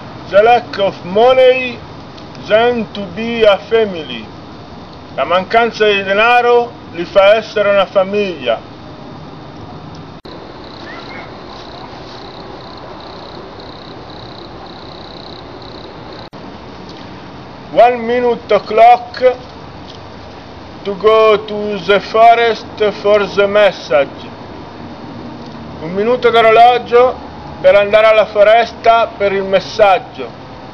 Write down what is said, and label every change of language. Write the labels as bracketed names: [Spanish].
[English] The lack of money then to be a family. [Italian] La mancanza di denaro li fa essere una famiglia. [English] One minute o'clock to go to the forest for the message. [Italian] Un minuto d'orologio per andare alla foresta per il messaggio.